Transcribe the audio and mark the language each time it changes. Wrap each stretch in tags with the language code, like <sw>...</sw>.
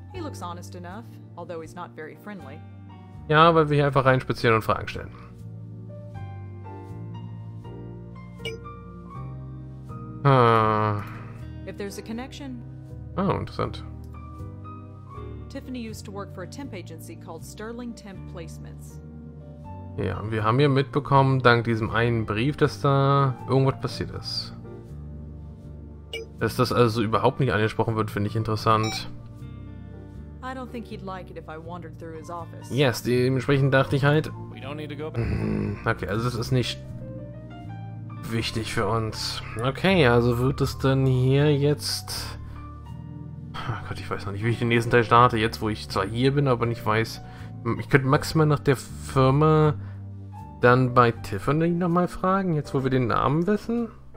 <en>He looks honest enough, although he's not very friendly.</en> <de>Ja, weil wir hier einfach reinspazieren und Fragen stellen.</de> <en>If if there's a connection. Oh, interesting. Tiffany used to work for a temp agency called Sterling Temp Placements.</en> <de>Ja, wir haben ja mitbekommen, dank diesem einen Brief, dass da irgendwas passiert ist. Dass das also überhaupt nicht angesprochen wird, finde ich interessant.</de> <en>I don't think he'd like it if I wandered through his office. Yes,</en> <de>dementsprechend dachte ich halt...</de> <en>We don't need to go back.</en> <de>Okay, also es ist nicht wichtig für uns. Okay, also wird es dann hier jetzt... Oh Gott, ich weiß noch nicht, wie ich den nächsten Teil starte, jetzt wo ich zwar hier bin, aber nicht weiß... Ich könnte maximal nach der Firma dann bei Tiffany nochmal fragen, jetzt wo wir den Namen wissen.</de>